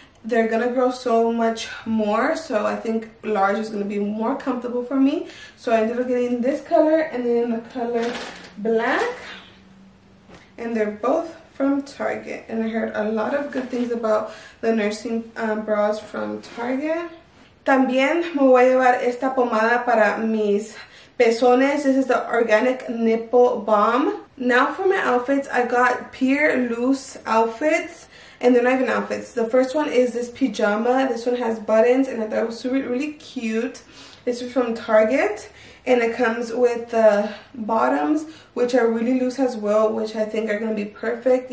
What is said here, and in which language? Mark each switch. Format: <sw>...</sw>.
<en>they're gonna grow so much more, so I think large is gonna be more comfortable for me. So I ended up getting this color and then the color black, and they're both from Target, and I heard a lot of good things about the nursing bras from Target.</en> <es>También me voy a llevar esta pomada para mis pezones.</es> <en>This is the organic nipple balm. Now for my outfits, I got pure loose outfits, and they're not even outfits. The first one is this pajama. This one has buttons, and I thought it was super, really cute. This is from Target, and it comes with the bottoms, which are really loose as well, which I think are gonna be perfect.</en>